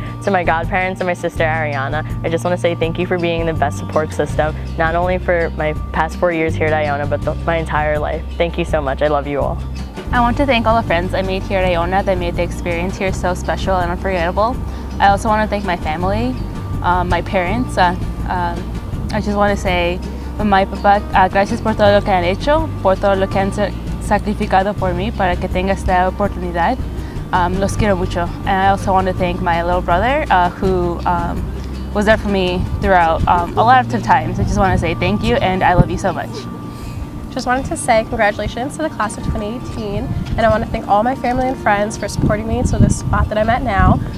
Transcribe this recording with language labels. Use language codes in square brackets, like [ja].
[en] To my godparents and my sister Ariana, I just want to say thank you for being the best support system, not only for my past 4 years here at Iona, but my entire life. Thank you so much. I love you all. I want to thank all the friends I made here at Iona that made the experience here so special and unforgettable. I also want to thank my family, my parents. I just want to say, my papa, [es] gracias por todo lo que han hecho, por todo lo que han sacrificado por mí para que tenga esta oportunidad. Los quiero mucho. [en] And I also want to thank my little brother, who was there for me throughout a lot of tough times. I just want to say thank you, and I love you so much. Just wanted to say congratulations to the class of 2018, and I want to thank all my family and friends for supporting me to this spot that I'm at now.